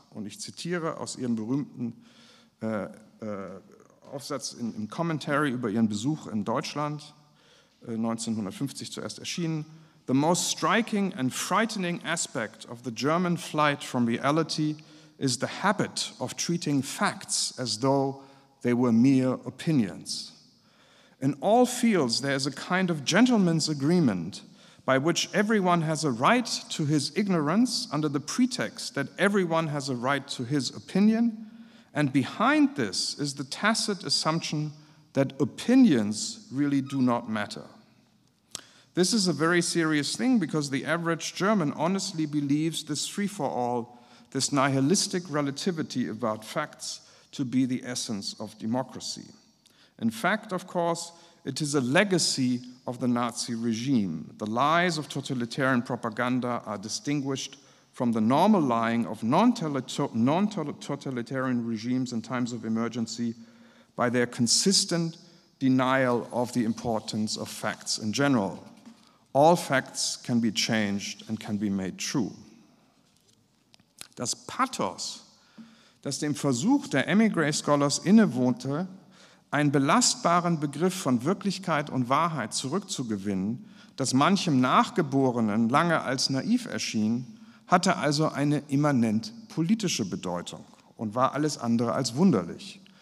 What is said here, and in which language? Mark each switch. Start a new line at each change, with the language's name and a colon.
German: Und ich zitiere aus ihrem berühmten Aufsatz im Commentary über ihren Besuch in Deutschland, 1950 zuerst erschienen:
English: The most striking and frightening aspect of the German flight from reality is the habit of treating facts as though they were mere opinions. In all fields, there is a kind of gentleman's agreement by which everyone has a right to his ignorance under the pretext that everyone has a right to his opinion, and behind this is the tacit assumption that opinions really do not matter. This is a very serious thing because the average German honestly believes this free-for-all, this nihilistic relativity about facts, to be the essence of democracy. In fact, of course, it is a legacy of the Nazi regime. The lies of totalitarian propaganda are distinguished from the normal lying of non-totalitarian regimes in times of emergency by their consistent denial of the importance of facts in general. All facts can be changed and can be made true.
German: Das Pathos, das dem Versuch der Emigre-Scholars innewohnte, einen belastbaren Begriff von Wirklichkeit und Wahrheit zurückzugewinnen, das manchem Nachgeborenen lange als naiv erschien, hatte also eine immanent politische Bedeutung und war alles andere als wunderlich.